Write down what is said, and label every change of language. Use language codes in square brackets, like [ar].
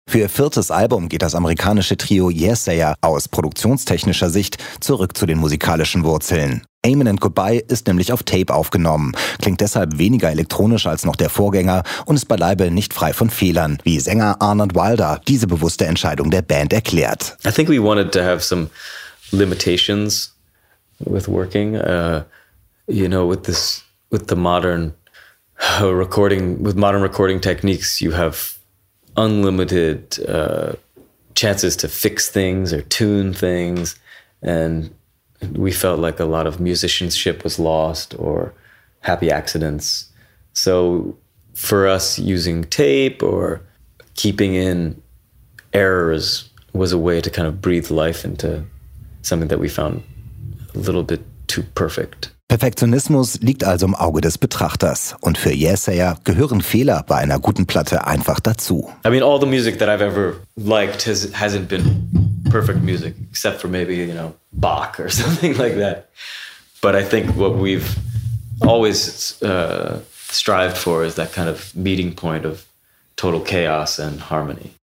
[de] Für ihr viertes Album geht das amerikanische Trio Yesayer aus produktionstechnischer Sicht zurück zu den musikalischen Wurzeln. Amen and Goodbye ist nämlich auf Tape aufgenommen, klingt deshalb weniger elektronisch als noch der Vorgänger und ist beileibe nicht frei von Fehlern, wie Sänger Arnold Wilder diese bewusste Entscheidung der Band erklärt. [en] I think we wanted to have some limitations with working, you know, with modern recording techniques, you have unlimited chances to fix things or tune things, and we felt like a lot of musicianship was lost or happy accidents. So for us, using tape or keeping in errors was a way to kind of breathe life into something that we found little bit too perfect. [de] Perfektionismus liegt also im Auge des Betrachters. Und für Yesayer gehören Fehler bei einer guten Platte einfach dazu. [en] I mean, all the music that I've ever liked hasn't been perfect music, except for maybe, you know, Bach or something like that. But I think what we've always strived for is that kind of meeting point of total chaos and harmony.